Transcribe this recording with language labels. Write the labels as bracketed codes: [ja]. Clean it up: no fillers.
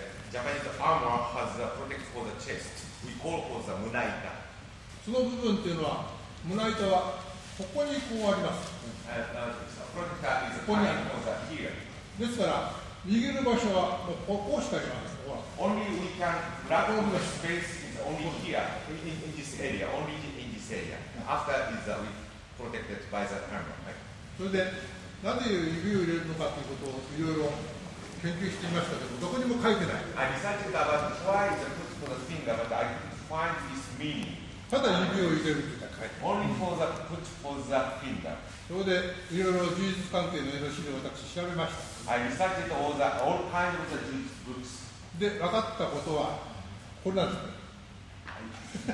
[en] Japanese armor has a protect for the chest. We call for the 胸板。 [ja] その部分というのは、胸板はここにこうあります。ここにあります。ですから、握る場所はもうこうしかありません。 [en] Only we can grab the space is only here, in this area, only in this area. After is protected by the armor. [ja] それで、なぜ指を入れるのかということをいろいろ研究してみましたけど、どこにも書いてない。 [en] I researched about why is put for the finger, but I didn't find this meaning. [ja] ただ指を入れるって書いてある。 [en] Only for the put for the finger。 [ja] そこでいろいろ呪術関係のいろいろ資料私調べました。 [en] I researched all kinds of the 呪術 books。 [ja] で分かったことはこれなんですね。